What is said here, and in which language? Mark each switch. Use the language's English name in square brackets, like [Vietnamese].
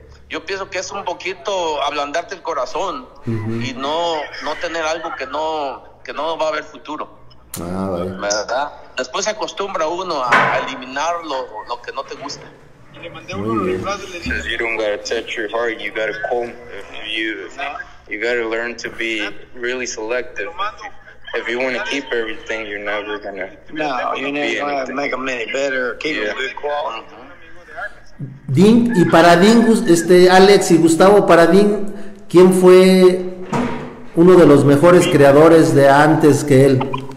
[Spanish] Yo pienso que es un poquito ablandarte el corazón. Uh-huh. Y no tener algo que no va a haber futuro. Ah, vale. ¿Verdad? Después se acostumbra uno a eliminar lo que no te gusta. [English] Says you don't gotta touch your heart, you gotta comb. If you gotta learn to be really selective. If you want to keep everything, you're never gonna. No, you're never gonna make them any better. Keep them good quality. [Spanish] Dink, y para Dink, Alex y Gustavo, para Dink, ¿quién fue uno de los mejores creadores de antes que él?